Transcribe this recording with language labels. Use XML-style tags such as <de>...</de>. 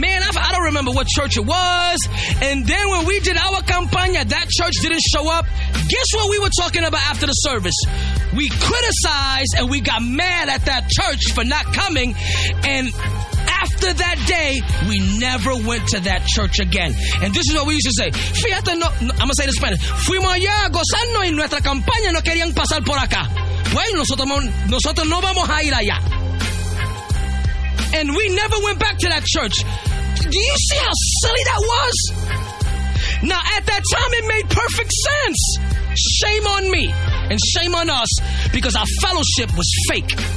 <en>Man, I don't remember what church it was. And then when we did our campaña, that church didn't show up. Guess what we were talking about after the service? We criticized and we got mad at that church for not coming. And after that day, we never went to that church again. And this is what we used to say.</en> <es>Fíjate, no,</es> <en>I'm going to say it in Spanish.</en> <es>Fuimos allá gozando en nuestra campaña, no querían pasar por acá. Bueno, nosotros no vamos a ir allá.</es> <en>And we never went back to that church. Do you see how silly that was? Now, at that time, it made perfect sense. Shame on me and shame on us, because our fellowship was fake.</en>